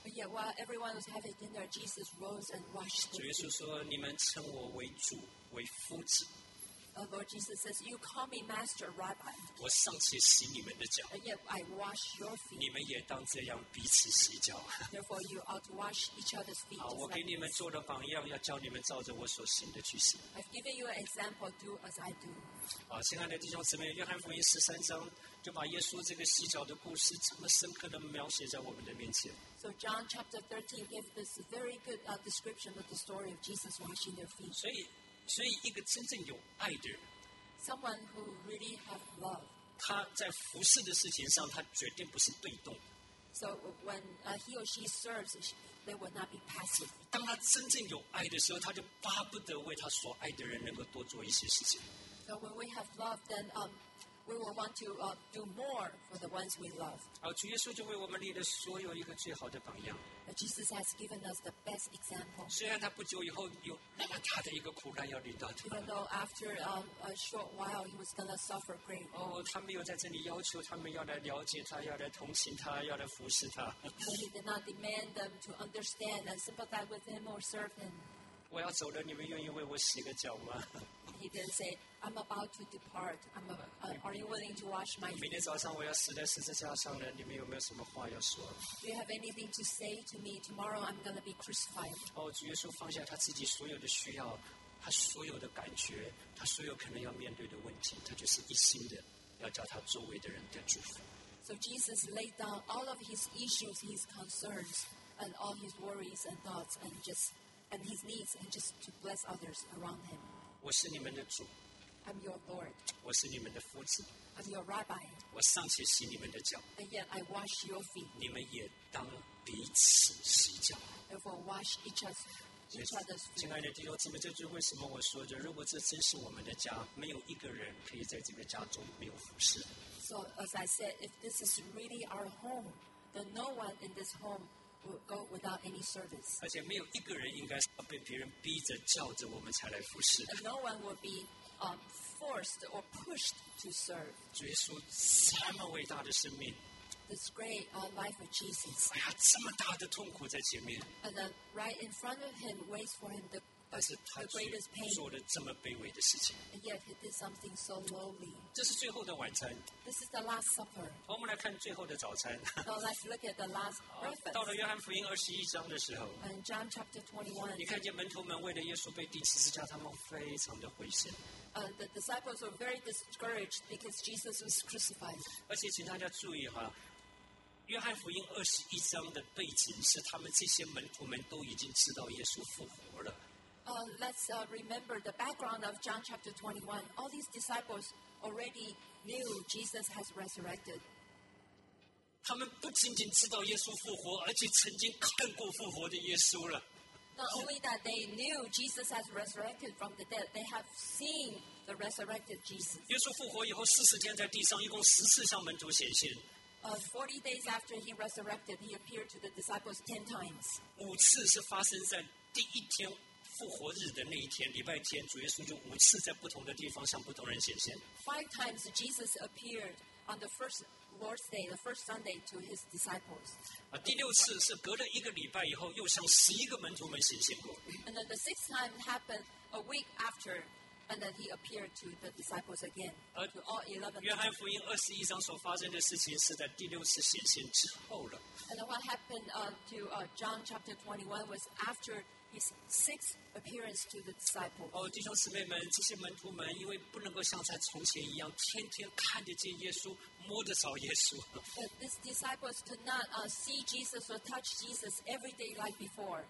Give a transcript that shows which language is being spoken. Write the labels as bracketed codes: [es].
[en] But yet while everyone was having dinner, Jesus rose and washed. [zh] 主耶稣说：“你们称我为主，为夫子。” [en] Lord Jesus says, "You call me Master, Rabbi." [zh] 我尚且洗你们的脚。 [en] And yet I wash your feet. [zh] 你们也当这样彼此洗脚。 [en] Therefore, you ought to wash each other's feet. [zh] 好，我给你们做了榜样，要教你们照着我所行的去行。 [en] I've given you an example. Do as I do. [zh] 好，亲爱的弟兄姊妹，约翰福音十三章就把耶稣这个洗脚的故事这么深刻的描写在我们的面前。 [en] So John chapter 13 gives this very good description of the story of Jesus washing their feet. [zh] 所以一个真正有爱的人 [en] Someone who really have love [zh] 他在服侍的事情上他绝对不是被动 [en] So when he or she serves they will not be passive [zh] 当他真正有爱的时候他就巴不得为他所爱的人能够多做一些事情 [en] So when we have love then we will want to do more for the ones we love [zh] 主耶稣就为我们立了所有一个最好的榜样 [en] Jesus has given us the best example. [zh] 虽然他不久以后有那么大的一个苦难要领到他。 [en] Even though after a short while he was going to suffer great. [zh] 他没有在这里要求他们要来了解他，要来同情他，要来服侍他。 [en] But he did not demand them to understand and sympathize with him or serve him. [zh] 我要走了，你们愿意为我洗个脚吗？ [en] He didn't say, "I'm about to depart. Are you willing to wash my feet?" [zh] 明天早上我要死在十字架上了，你们有没有什么话要说 [en] ？Do you have anything to say to me tomorrow? I'm going to be crucified. [zh] 主耶稣放下他自己所有的需要，他所有的感觉，他所有可能要面对的问题，他就是一心的要叫他周围的人得祝福。 [en] So Jesus laid down all of his issues, his concerns, and all his worries and thoughts, and his needs, and just to bless others around him. [zh] 我是你们的主。 [en] I'm your Lord. [zh] 我是你们的夫子。 [en] I'm your Rabbi. [zh] 我尚且洗你们的脚。 [en] And yet I wash your feet. [zh] 你们也当彼此洗脚。 [en] Therefore, wash each other's feet. [zh] 亲爱的弟兄姊妹，这就是为什么我说着，如果这真是我们的家，没有一个人可以在这个家中没有服侍。 [en] So as I said, if this is really our home, then no one in this home. Will go without any service. [zh] 而且没有一个人应该是被别人逼着叫着我们才来服侍。 [en] And no one will be forced or pushed to serve. [zh] 主耶稣这么伟大的生命。 [en] This great life of Jesus. [zh] 哎呀，这么大的痛苦在前面。 [en] And then right in front of him waits for him the greatest pain. [zh] 做了这么卑微的事情。 [en] And yet he did something so lowly. [zh] 这是最后的晚餐。 [en] This is the last supper. [zh] 我们来看最后的早餐。 [en] So let's look at the last breakfast. [zh] 到了约翰福音二十一章的时候。 [en] And John chapter 21. [zh] 你看见门徒们为了耶稣被钉十字架，他们非常的灰心。 [en] The disciples were very discouraged because Jesus was crucified. [zh] 而且请大家注意哈。约翰福音二十一章的背景是他们这些门徒们都已经知道耶稣复活了。 [en] Let's remember the background of John chapter 21. All these disciples already knew Jesus has resurrected. [zh] 他们不仅仅知道耶稣复活，而且曾经看过复活的耶稣了。 [en] Not only that they knew Jesus has resurrected from the dead, they have seen the resurrected Jesus. [zh] 耶稣复活以后四十天在地上，一共十次向门徒显现。 [en] 40 days after he resurrected, he appeared to the disciples 10 times. [zh] 五次是发生在第一天复活日的那一天，礼拜天，主耶稣就五次在不同的地方向不同人显现。 [en] 5 times Jesus appeared on the first Lord's Day, the first Sunday to his disciples. [zh] 第六次是隔了一个礼拜以后，又向十一个门徒们显现过。 [en] And then the sixth time happened a week after. And then he appeared to the disciples again. To all 11. [zh] 约翰福音二十一章所发生的事情是在第六次显现之后了。 [en] And then what happened to John chapter 21 was after his sixth appearance to the disciples. [zh] 哦，弟兄姊妹们，这些门徒们因为不能够像在从前一样天天看得见耶稣、摸得着耶稣。 [en] But these disciples could not see Jesus or touch Jesus every day like before.